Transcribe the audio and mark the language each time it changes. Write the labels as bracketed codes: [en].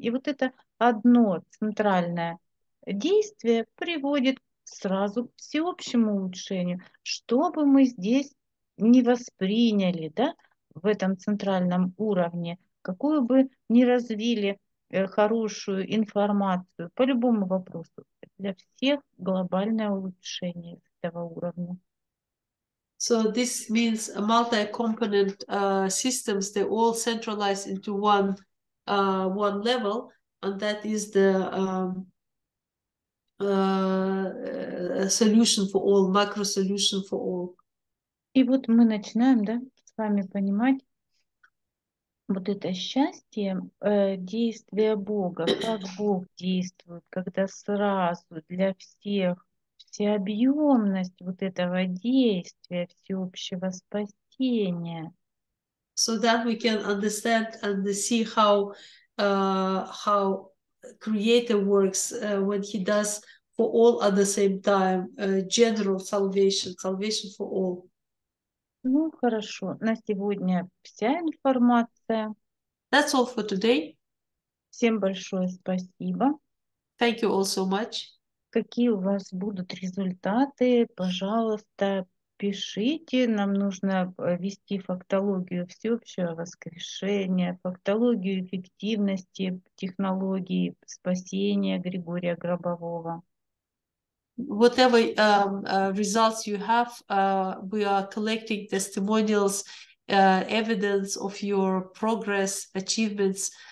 [ru] И вот это одно центральное действие приводит к сразу к всеобщему улучшению, что бы мы здесь не восприняли, да, в этом центральном уровне, какую бы не развили хорошую информацию по любому вопросу, для всех глобальное улучшение этого уровня. [en] So this means a multi-component systems, they all centralize into one one level, and that is the solution for all, macro solution for all. [ru] И вот мы начинаем, да, с вами понимать вот это счастье, действие Бога, как Бог действует, когда сразу для всех всеобъемность вот этого действия всеобщего спасения. [en] So that we can understand and see how Creator works when he does for all at the same time, general salvation, salvation for all. [ru] Ну, хорошо. На сегодня вся информация. [en] That's all for today. [ru] Всем большое спасибо. [en] Thank you all so much. [ru] Какие у вас будут результаты, пожалуйста, пишите. Нам нужно вести фактологию всеобщего воскрешения, фактологию эффективности технологии спасения Григория Гробового. [en] Whatever results you have, we are collecting testimonials, evidence of your progress, achievements.